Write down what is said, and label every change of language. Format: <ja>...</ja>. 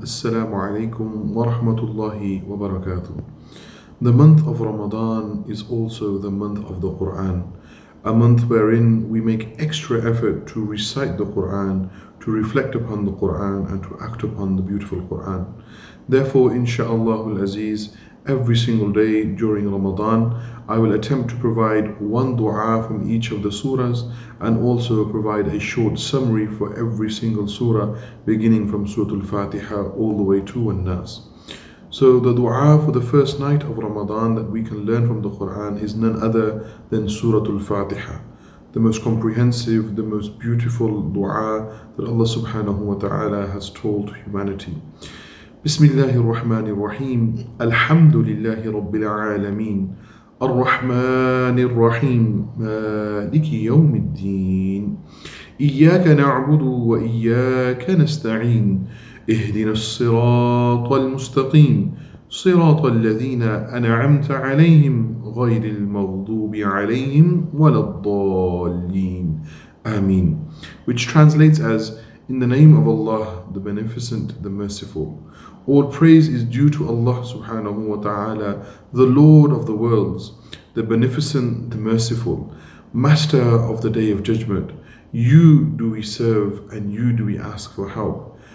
<ar>السلام عليكم ورحمة الله وبركاته.</ar> <en>The month of Ramadan is also the month of the Quran, a month wherein we make extra effort to recite the Quran, to reflect upon the Quran, and to act upon the beautiful Quran. Therefore, inshallah al-Aziz, every single day during Ramadan, I will attempt to provide one dua from each of the surahs and also provide a short summary for every single surah, beginning from Surah Al-Fatiha all the way to An-Nas. So the dua for the first night of Ramadan that we can learn from the Quran is none other than Surah Al-Fatiha, the most comprehensive, the most beautiful dua that Allah subhanahu wa ta'ala has taught humanity.</en> <ar>بسم الله الرحمن الرحيم الحمد لله رب العالمين الرحمن الرحيم مالك يوم الدين إياك نعبد وإياك نستعين اهدنا الصراط المستقيم صراط الذين أنعمت عليهم غير المغضوب عليهم ولا الضالين آمين.</ar> <en>Which translates as, in the name of Allah, the Beneficent, the Merciful. All praise is due to Allah subhanahu wa ta'ala, the Lord of the worlds, the Beneficent, the Merciful, Master of the Day of Judgment. You do we serve and you do we ask for help.</en>